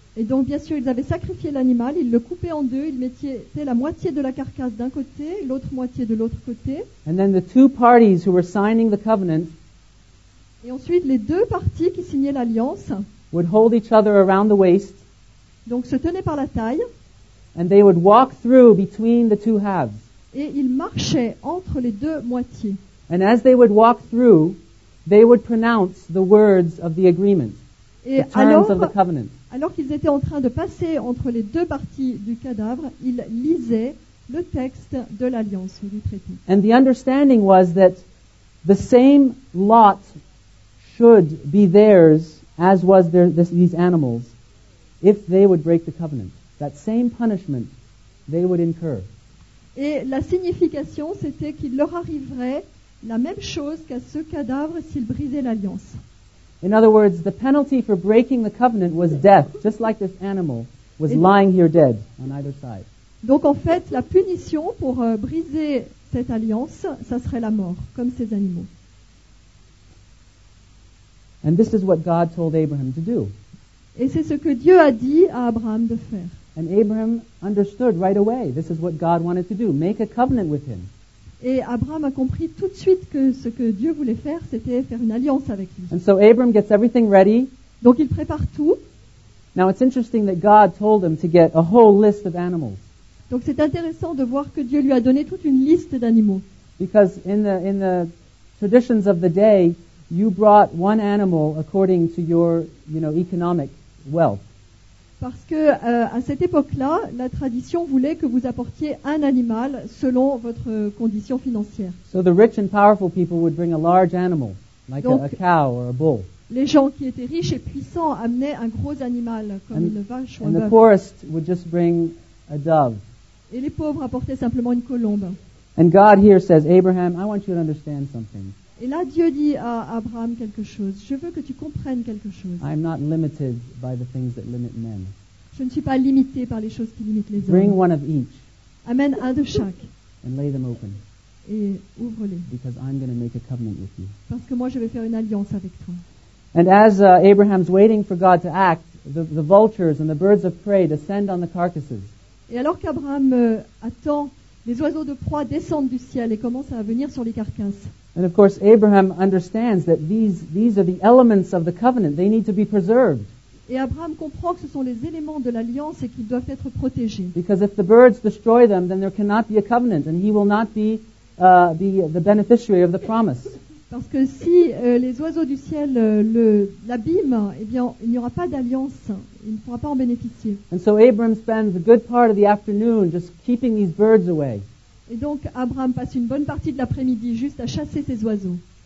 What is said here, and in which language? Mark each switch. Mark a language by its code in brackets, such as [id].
[fr] Et donc, bien sûr, ils avaient sacrifié l'animal. Ils le coupaient en deux. Ils mettaient la moitié de la carcasse d'un côté, l'autre moitié de l'autre côté. [en] And then the two parties who were signing the covenant. [fr] Et ensuite, les deux parties qui signaient l'alliance [en] would hold each other around the waist, [fr] donc se tenaient par la taille, [en] and they would walk through between the two halves. [fr] Et ils marchaient entre les deux moitiés. [en] And as they would walk through, they would pronounce the words of the agreement, [fr] et [en] the terms [fr] alors, [en] of the covenant. [fr] Alors qu'ils étaient en train de passer entre les deux parties du cadavre, ils lisaient le texte de l'alliance, du traité. [en] And the understanding was that the same lot should be theirs, as was these animals, if they would break the covenant. That same punishment they would incur. [fr] Et la signification, c'était qu'il leur arriverait la même chose qu'à ce cadavre s'ils brisaient l'alliance. [en] In other words, the penalty for breaking the covenant was death, just like this animal was lying here dead on either side. [fr] Donc en fait, la punition pour briser cette alliance, ça serait la mort, comme ces animaux. [en] And this is what God told Abraham to do. [fr] Et c'est ce que Dieu a dit à Abraham de faire. [en] And Abraham understood right away. This is what God wanted to do. Make a covenant with him. [fr] Et Abraham a compris tout de suite que ce que Dieu voulait faire, c'était faire une alliance avec lui. [en] And so Abraham gets everything ready. [fr] Donc il prépare tout. [en] Now it's interesting that God told him to get a whole list of animals. [fr] Donc c'est intéressant de voir que Dieu lui a donné toute une liste d'animaux. [en] Because in the traditions of the day, you brought one animal according to your, you know, economic wealth. [fr] Parce que à cette époque-là, la tradition voulait que vous apportiez un animal selon votre condition financière. [en] So the rich and powerful people would bring a large animal, like [fr] donc, [en] a cow or a bull. [fr] Les gens qui étaient riches et puissants amenaient un gros animal comme une vache ou un bœuf. [en] And the poorest would just bring a dove. [fr] Et les pauvres apportaient simplement une colombe. [en] And God here says, Abraham, I want you to understand something. [fr] Et là, Dieu dit à Abraham quelque chose. Je veux que tu comprennes quelque chose. [en] I'm not limited by the things that limit men. [fr] Je ne suis pas limité par les choses qui limitent les [en] bring [fr] hommes. [en] One of each. [fr] Amène un de chaque. [en] And lay them open. [fr] Et ouvre-les. [en] Because I'm going to make a covenant with you. [fr] Parce que moi, je vais faire une alliance avec toi. [en] And as Abraham's waiting for God to act, the vultures and the birds of prey descend on the carcasses. [fr] Et alors qu'Abraham attend, les oiseaux de proie descendent du ciel et commencent à venir sur les carcasses. [en] And of course, Abraham understands that these are the elements of the covenant. They need to be preserved. [fr] Et Abraham comprend que ce sont les éléments de l'alliance et qu'ils doivent être protégés. [en] Because if the birds destroy them, then there cannot be a covenant, and he will not be the beneficiary of the promise. [fr] Parce que si les oiseaux du ciel l'abîment, eh bien, il n'y aura pas d'alliance. Il ne pourra pas en bénéficier. [en] And so Abram spends a good part of the afternoon just keeping these birds away. [fr] Et donc Abraham passe une bonne partie de l'après-midi juste à chasser ces oiseaux.